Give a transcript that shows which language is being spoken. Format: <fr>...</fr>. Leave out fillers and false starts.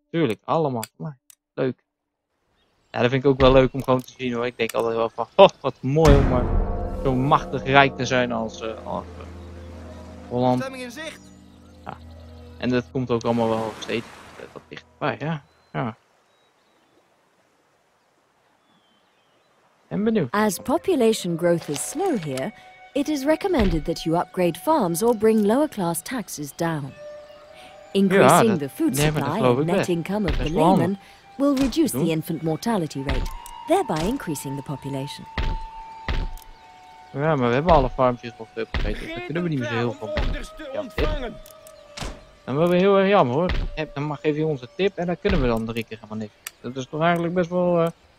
<nl>Tuurlijk, allemaal van mij. Leuk. Ja, dat vind ik ook wel leuk om gewoon te zien hoor. Ik denk altijd wel van, oh, wat mooi om maar zo machtig rijk te zijn als Holland. Stemming in zicht. Ja. En dat komt ook allemaal wel steeds wat dichterbij, ja. Ja. En benieuwd.</nl> <en>As population growth is slow here, it is recommended that you upgrade farms or bring lower class taxes down. Increasing the food supply and net income of the layman will reduce the infant mortality rate, thereby increasing the population.</en> <nl>Ja, maar we hebben alle farmtjes nog geüpgraded. Daar kunnen we niet meer zo heel veel van. Dan hebben we heel erg jammer hoor. Dan geef je ons een tip en dan kunnen we dan drie keer helemaal niks. Dat is toch eigenlijk best wel.</nl>